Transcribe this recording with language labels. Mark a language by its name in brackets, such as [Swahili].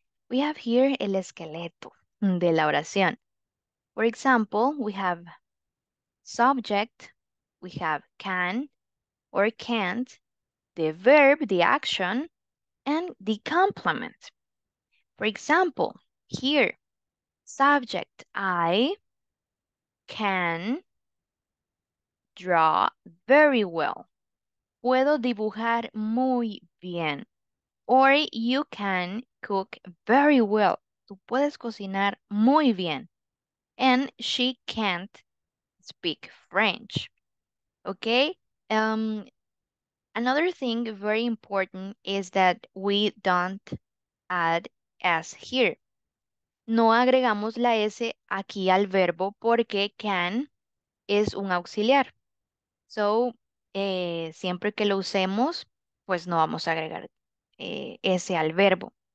[English] We have here [Spanish] el esqueleto de la oración. [English] For example, we have subject, we have can or can't, the verb, the action, and the complement. For example, here, subject, I can draw very well. [Spanish] Puedo dibujar muy bien. [English] Or you can cook very well. [Spanish] Tú puedes cocinar muy bien. [English] And she can't speak French. Okay? Another thing very important is that we don't add S here. [Spanish] No agregamos la S aquí al verbo porque can es un auxiliar. So, siempre que lo usemos, pues no vamos a agregar ese al verbo.